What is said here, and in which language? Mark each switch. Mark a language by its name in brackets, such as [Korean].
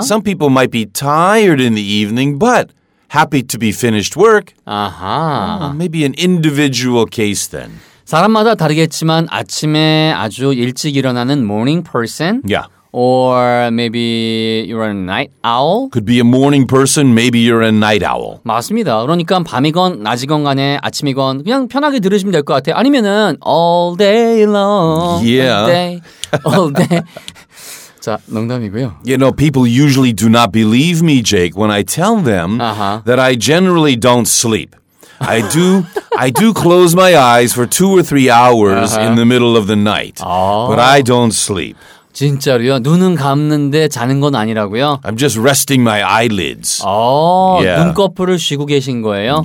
[English] Some people might be tired in the evening, but happy to be finished work. Uh-huh. Oh, maybe an individual case then. [Korean] 사람마다 다르겠지만 아침에 아주 일찍 일어나는 [English] morning person. Yeah. Or maybe you're a night owl. Could be a morning person, maybe you're a night owl. [Korean] 맞습니다. 그러니까 밤이건 낮이건 간에 아침이건 그냥 편하게 들으시면 될 것 같아요. 아니면은 [English] all day long. Yeah. All day. [Korean] 자, 농담이고요. [English] You know, people usually do not believe me, Jake, when I tell them uh-huh. that I generally don't sleep. I do close my eyes for 2 or 3 hours uh-huh. in the middle of the night. Oh. But I don't sleep. [Korean] 진짜로요? 눈은 감는데 자는 건 아니라고요? [English] I'm just resting my eyelids. 어, yeah. [Korean] 눈꺼풀을 쉬고 계신 거예요?